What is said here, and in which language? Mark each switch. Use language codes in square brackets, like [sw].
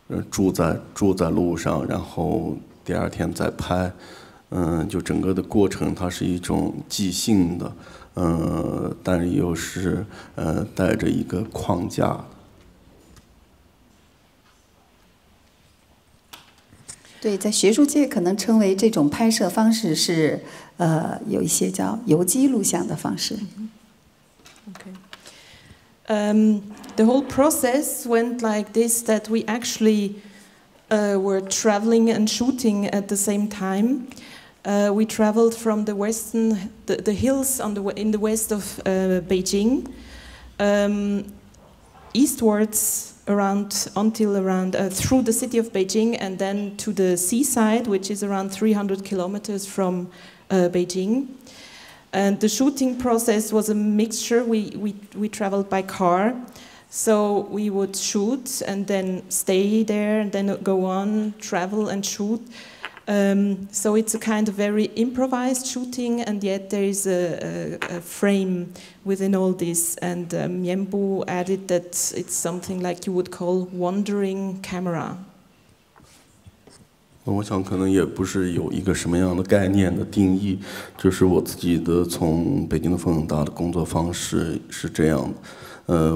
[zh] 住在路上，然后第二天再拍，就整个的过程它是一种即兴的，但是又是带着一个框架。对，在学术界可能称为这种拍摄方式是有一些叫游击录像的方式。 [en] Okay. The whole process went like this, that we actually were traveling and shooting at the same time. We traveled from the western, the hills on the, in the west of Beijing, eastwards around through the city of Beijing, and then to the seaside, which is around 300 kilometers from Beijing. And the shooting process was a mixture. We traveled by car. So we would shoot and then stay there and then go on, travel and shoot. So it's a kind of very improvised shooting, and yet there is a frame within all this. And Mianbu added that it's something like you would call wandering camera. [zh] 我想可能也不是有一个什么样的概念的定义，就是我自己的从北京的风很大的工作方式是这样的。